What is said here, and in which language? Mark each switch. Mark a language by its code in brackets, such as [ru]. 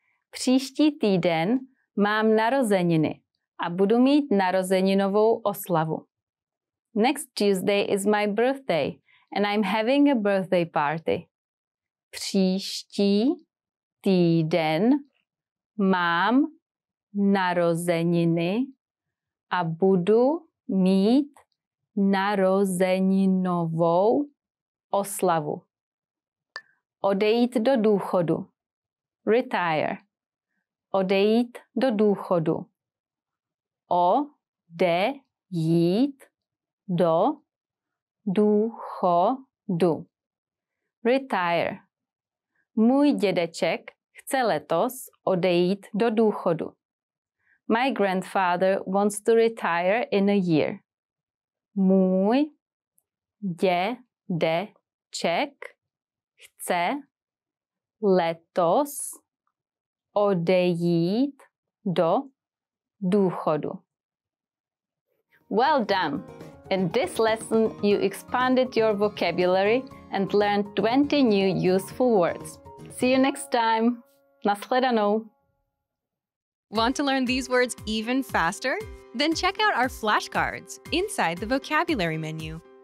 [cs] Příští týden mám narozeniny a budu mít narozeninovou oslavu. [en] Next Tuesday is my birthday and I'm having a birthday party. [cs] Příští týden mám narozeniny a budu mít narozeninovou oslavu. Odejít do důchodu. Retire. Odejít do důchodu. Odejít do důchodu. Retire. Můj dědeček chce letos odejít do důchodu. [en] My grandfather wants to retire in a year. [cs] Můj dědeček chce letos odejít do důchodu. [en] Well done! In this lesson, you expanded your vocabulary and learned 20 new useful words. See you next time! Naschledanou! Want to learn these words even faster? Then check out our flashcards inside the vocabulary menu.